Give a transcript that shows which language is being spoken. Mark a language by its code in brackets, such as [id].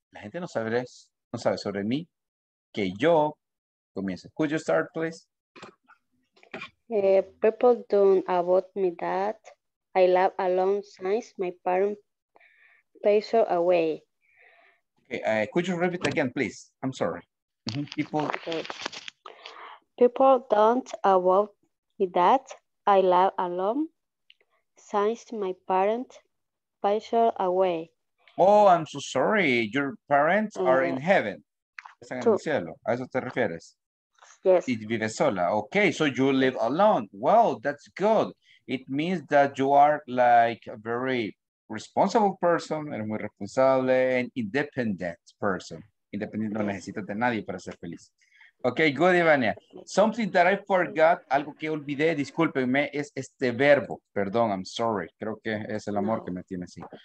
[es] La gente no sabe sobre mí que yo comience. [en] Could you start, please? People don't know about me that I love alone since my parents passed away. Okay, could you repeat again, please? I'm sorry. Mm-hmm. People... Okay. People don't know about me that I love alone since my parents passed away. Oh, I'm so sorry. Your parents are in heaven. [es] Están en el cielo. ¿A eso te refieres? [en] Yes. [es] Y vive sola. [en] Okay, so you live alone. Well, that's good. It means that you are like a very responsible person, and [es] muy responsable, [en] and independent person. [es] Independiente, no necesitas de nadie para ser feliz. Okay, good, Ivania. [en] Something that I forgot, [es] algo que olvidé, discúlpenme, es este verbo. Perdón, [en] I'm sorry. [es] Creo que es el amor que me tiene así.